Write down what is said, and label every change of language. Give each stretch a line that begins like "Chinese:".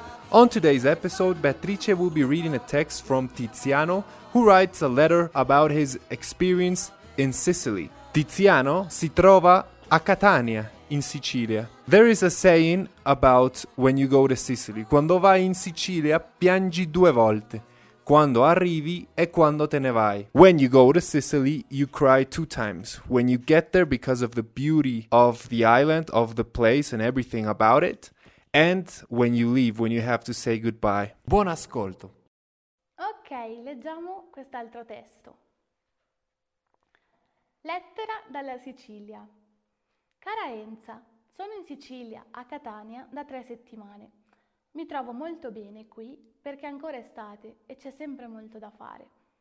English: On today's episode, Beatrice will be reading a text from Tiziano, who writes a letter about his experience in Sicily.
Italian: Tiziano si trova a Catania, in Sicilia.
English: There is a saying about when you go to Sicily.
Italian: Quando vai in Sicilia, piangi due volte. Quando arrivi e quando te ne vai.
English: When you go to Sicily, you cry two times. When you get there because of the beauty of the island, of the place and everything about it. And when you leave, when you have to say goodbye.
Italian: Buon ascolto. Ok, leggiamo quest'altro testo. Lettera dalla Sicilia. Cara Enza, sono in Sicilia, a Catania, da 3 settimane. Mi trovo molto bene qui perché ancora è estate e c'è sempre molto da fare.